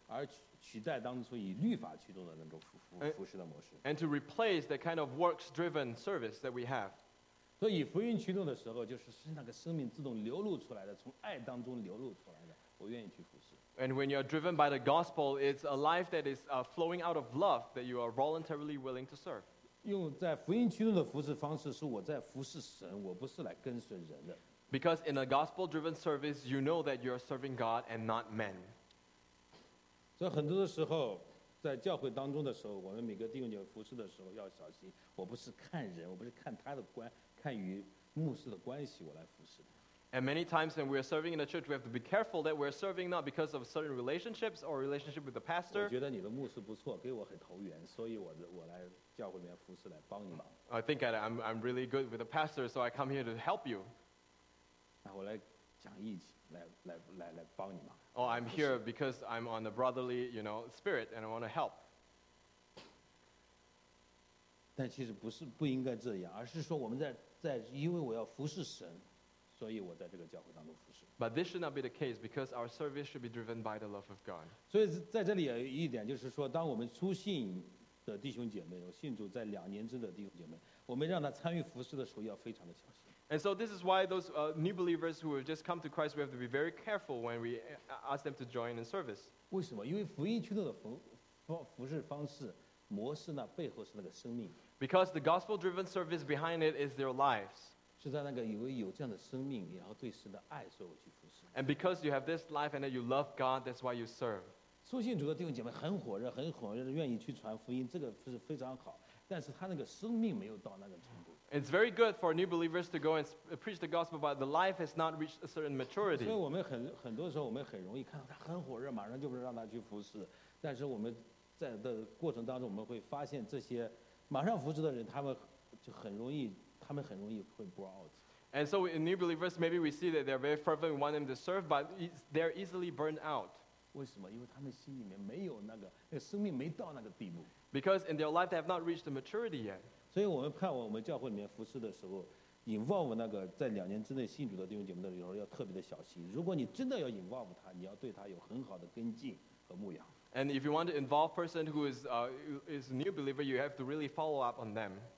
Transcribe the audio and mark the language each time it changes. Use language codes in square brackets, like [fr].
[zh] 而取代当初以律法驱动的那种服侍的模式。 [en] And to replace the kind of works-driven service that we have. [zh] 所以福音驱动的时候，就是那个生命自动流露出来的，从爱当中流露出来的。我愿意去服侍。 [en] And when you are driven by the gospel, it's a life that is flowing out of love that you are voluntarily willing to serve. [zh] 用在福音驱动的服侍方式，是我在服侍神，我不是来跟随人的。 [en] Because in a gospel-driven service, you know that you are serving God and not men. [zh] 所以很多的时候，在教会当中的时候，我们每个弟兄姐妹服侍的时候要小心，我不是看人，我不是看他的官。看与牧师的关系，我来服侍。 [en] And many times when we are serving in the church, we have to be careful that we are serving not because of certain relationships or relationship with the pastor. [zh] 我觉得你的牧师不错，给我很投缘，所以我来教会里面服侍，来帮你忙。 [en] I think I'm really good with the pastor, so I come here to help you. [zh] 那我来讲义气，来帮你忙。 [en] Oh, I'm here because I'm on the brotherly, you know, spirit, and I want to help. [zh] 但其实不应该这样，而是说我们在因为我要服侍神，所以我在这个教会当中服侍。 [en] But this should not be the case because our service should be driven by the love of God. [zh] 所以在这里有一点，就是说，当我们出信的弟兄姐妹，有信主在两年之内的弟兄姐妹，我们让他参与服侍的时候要非常的小心。 [en] And so this is why those new believers who have just come to Christ, we have to be very careful when we ask them to join in service. [zh] 为什么？因为福音驱动的服侍方式。模式呢，背后是那个生命。 [en] Because the gospel-driven service behind it is their lives. [zh] 是在那个有这样的生命，然后对神的爱，所以我去服侍。 [en] And because you have this life and that you love God, that's why you serve. [zh] 初信主的弟兄姐妹很火热，很火热，愿意去传福音，这个是非常好。但是他那个生命没有到那个程度。 [en] It's very good for new believers to go and preach the gospel, but the life has not reached a certain maturity. [zh] 所以我们很多时候，我们很容易看到他很火热，马上就不是让他去服侍，但是我们。在的过程当中，我们会发现这些马上服侍的人，他们很容易会 bore out。 [en] And so in new believers, maybe we see that they're very fervent, want them to serve, but they're easily burned out. [zh] 为什么？因为他们心里面没有那个生命没到那个地步。 [en] Because in their life, they have not reached the maturity yet. [zh] 所以我们盼望我们教会里面服侍的时候 ，involve 那个在两年之内信主的弟兄姐妹的时候，要特别的小心。如果你真的要 involve 他，你要对他有很好的跟进和牧养。 [en] And if you want to involve a person who is a new believer, you have to really follow up on them.